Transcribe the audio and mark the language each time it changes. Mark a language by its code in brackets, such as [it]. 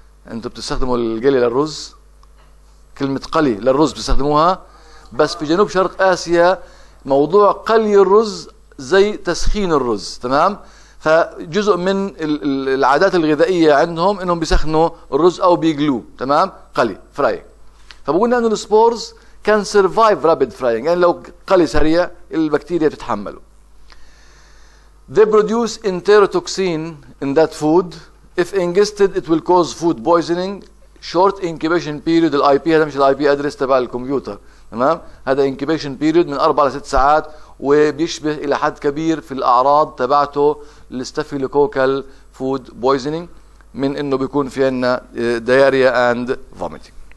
[ar] انتوا بتستخدموا القلي للرز، كلمة قلي للرز بتستخدموها، بس في جنوب شرق آسيا موضوع قلي الرز زي تسخين الرز، تمام؟ فجزء من العادات الغذائية عندهم انهم بيسخنوا الرز او بيقلوه، تمام؟ قلي frying. فبقولنا انه السبورز [en] can survive rapid frying، [ar] يعني لو قلي سريع البكتيريا بتتحمله. [en] They produce enterotoxin in that food. If ingested, it will cause food poisoning. Short incubation period. [ar] The IP هذا مش الـ IP address تبع الكمبيوتر، تمام؟ هذا [en] incubation period [ar] من 4 إلى 6 ساعات، وبيشبه إلى حد كبير في الأعراض تبعته الستافيلوكوكال food poisoning، من إنه بيكون في عنا [en] diarrhea and vomiting.